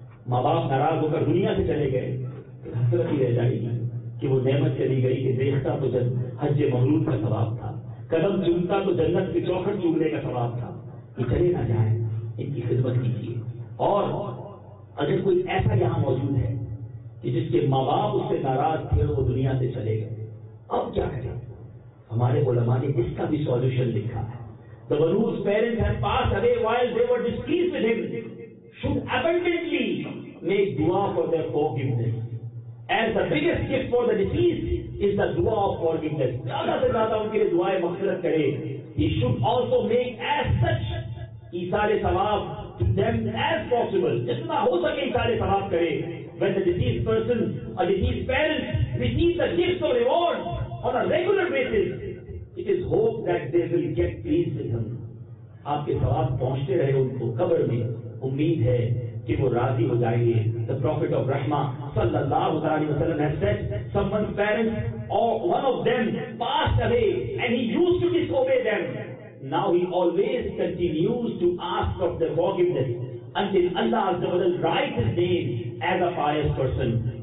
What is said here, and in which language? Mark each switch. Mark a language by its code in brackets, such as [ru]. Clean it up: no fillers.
[ur] ماں باپ ناراض ہو کر دنیا سے چلے گئے, حسرت ہی رہ جائے گی کہ وہ نعمت چلی گئی کہ دیکھتا تو جب حج مبرور کا ثواب تھا, قدم چومتا تو جنت کی چوکھٹ چومنے کا ثواب تھا. یہ چلے نہ جائیں, ان کی خدمت کیجیے. اور اگر کوئی ایسا یہاں موجود ہے کہ جس کے ماں باپ اس سے ناراض تھے اور وہ دنیا سے چلے گئے, اب کیا کریں؟ ہمارے علماء نے اس کا بھی سولوشن لکھا ہے. [en] The Baroos parents had passed away while they were displeased with him should abundantly make dua for their forgiveness. And the biggest gift for the deceased is the dua of forgiveness. [ur] زیادہ سے زیادہ ان کے لیے دعائیں مغفرت کرے. [en] He should also make as such isar sawab to them as possible. [ur] جتنا ہو سکے ایثار ثواب کرے. [en] When the deceased person or deceased parents receive the gifts or rewards on a regular basis, it is hoped that they will get pleased with him. [ur] آپ کے ثواب پہنچتے رہے ان کو قبر میں, امید ہے کہ وہ راضی ہو جائیں گے. [en] The Prophet of Rahmah صلی اللہ علیہ وسلم has said, someone's parents or one of them passed away and he used to disobey them. Now he always continues to ask of their forgiveness until Allah Azza wa Jalla writes his name as a pious person.